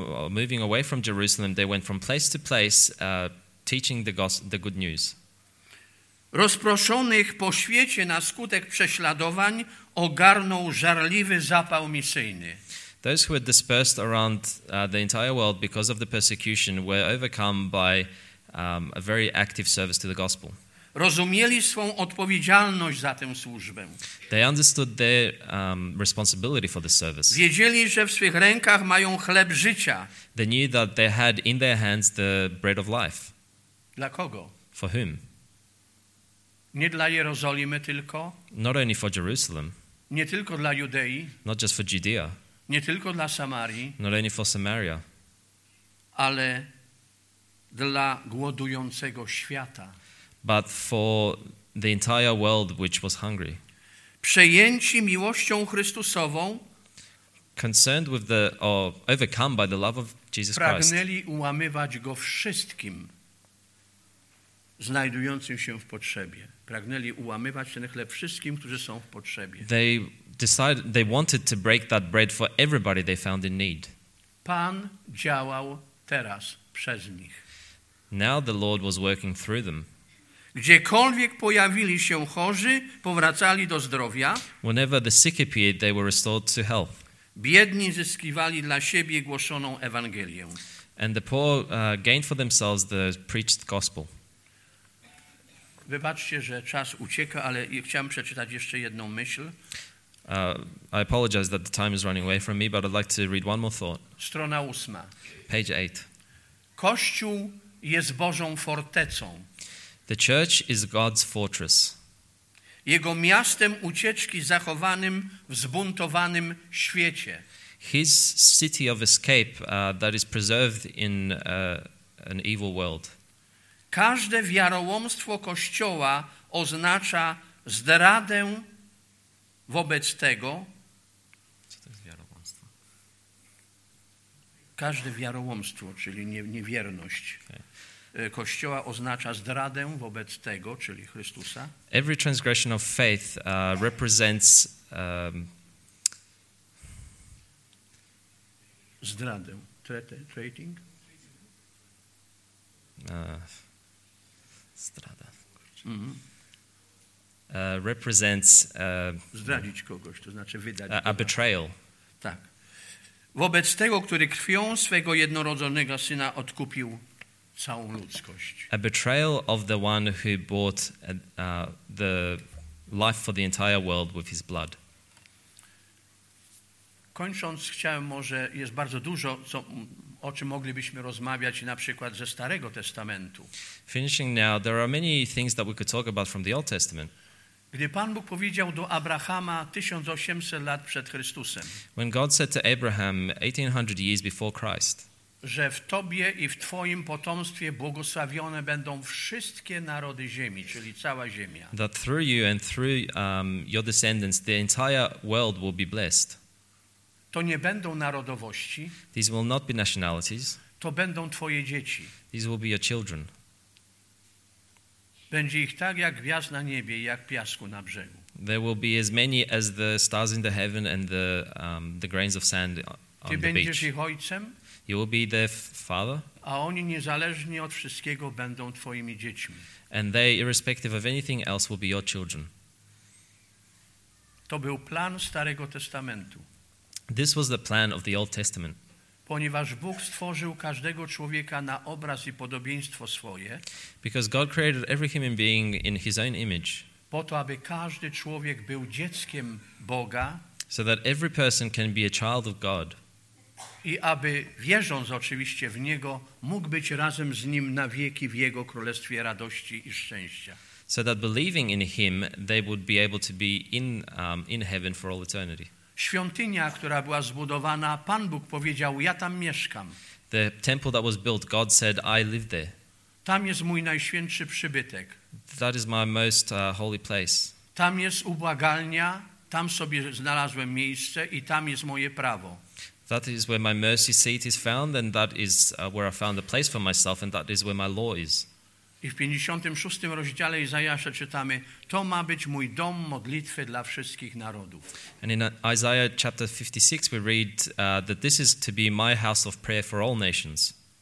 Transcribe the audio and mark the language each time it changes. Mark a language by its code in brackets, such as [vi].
[en] Moving away from Jerusalem, they went from place to place, teaching the good news. [pl] Rozproszonych po świecie na skutek prześladowań ogarnął żarliwy zapał misyjny. [en] Those who were dispersed around the entire world because of the persecution were overcome by a very active service to the gospel. [pl] Rozumieli swą odpowiedzialność za tę służbę. [en] They understood their responsibility for the service. [pl] Wiedzieli, że w swych rękach mają chleb życia. [en] They knew that they had in their hands the bread of life. [pl] Dla kogo? [en] For whom? [pl] Nie dla Jerozolimy tylko. [en] Not only for Jerusalem. [pl] Nie tylko dla Judei. [en] Not just for Judea. [pl] Nie tylko dla Samarii. [en] Not only for Samaria. [pl] Ale dla głodującego świata. [en] But for the entire world which was hungry. [pl] Przejęci miłością Chrystusową. [en] Concerned with the or overcome by the love of Jesus [pl] pragnęli [en] Christ. [pl] Pragnęli ułamywać go wszystkim znajdującym się w potrzebie. Pragnęli ułamywać ten chleb wszystkim, którzy są w potrzebie. [en] They wanted to break that bread for everybody they found in need. [pl] Pan działał teraz przez nich. [en] Now the Lord was working through them. [pl] Gdziekolwiek pojawili się chorzy, powracali do zdrowia. [en] Whenever the sick appeared, they were restored to health. [pl] Biedni zyskiwali dla siebie głoszoną Ewangelię. [en] And the poor gained for themselves the preached gospel. [pl] Wybaczcie, że czas ucieka, ale chciałem przeczytać jeszcze jedną myśl. [en] I apologize that the time is running away from me, but I'd like to read one more thought. [pl] Strona 8. [en] Page 8. [pl] Kościół jest Bożą fortecą. [en] The church is God's fortress. [pl] Jego miastem ucieczki zachowanym w zbuntowanym świecie. [en] His city of escape that is preserved in an evil world. [pl] Każde wiarołomstwo Kościoła oznacza zdradę wobec tego. Co to jest wiarołomstwo? Każde wiarołomstwo, czyli niewierność okay. Kościoła oznacza zdradę wobec tego, czyli Chrystusa. [en] Every transgression of faith represents [pl] zdradę. Trading? Zdrada. [en] Represents [pl] zdradzić kogoś, to znaczy wydać [en] a betrayal. [pl] Tak. Wobec tego, który krwią swego jednorodzonego syna odkupił całą ludzkość. [en] A betrayal of the one who bought the life for the entire world with his blood. [pl] Kończąc, chciałem może, jest bardzo dużo, co o czym moglibyśmy rozmawiać na przykład ze Starego Testamentu. [en] Finishing now, there are many things that we could talk about from the Old Testament. [pl] Gdy Pan Bóg powiedział do Abrahama 1800 lat przed Chrystusem, [en] when God said to Abraham 1800 years before Christ, [pl] że w tobie i w twoim potomstwie błogosławione będą wszystkie narody ziemi, czyli cała ziemia. [en] That through you and through your descendants the entire world will be blessed. [pl] To nie będą narodowości. [en] These will not be nationalities. [pl] To będą twoje dzieci. [en] These will be your children. [pl] Będzie ich tak jak gwiazd na niebie, jak piasku na brzegu. [en] There will be as many as the stars in the heaven and the grains of sand on [pl] Ty [en] the beach. [pl] Ty będziesz ich ojcem. [en] You will be their father. [pl] A oni niezależnie od wszystkiego będą twoimi dziećmi. [en] And they, irrespective of anything else, will be your children. [pl] To był plan Starego Testamentu. [en] This was the plan of the Old Testament. [pl] Ponieważ Bóg stworzył każdego człowieka na obraz i podobieństwo swoje. [en] Because God created every human being in his own image. [pl] Po to, aby każdy człowiek był dzieckiem Boga. [en] So that every person can be a child of God. [pl] I aby, wierząc oczywiście w Niego, mógł być razem z Nim na wieki w Jego królestwie radości i szczęścia. [en] So that believing in Him, they would be able to be in heaven for all eternity. [pl] Świątynia, która była zbudowana, Pan Bóg powiedział, ja tam mieszkam. [en] The temple that was built, God said, I live there. [pl] Tam jest mój najświętszy przybytek. [en] That is my most holy place. [pl] Tam jest ubłagalnia, tam sobie znalazłem miejsce i tam jest moje prawo. [en] That is where my mercy seat is found, and that is where I found a place for myself, and that is where my law is. [pl] I w 56 rozdziale Izajasza czytamy, to ma być mój dom modlitwy dla wszystkich narodów. [en] And in Isaiah chapter 56 we read that this is to be my house of prayer for all nations.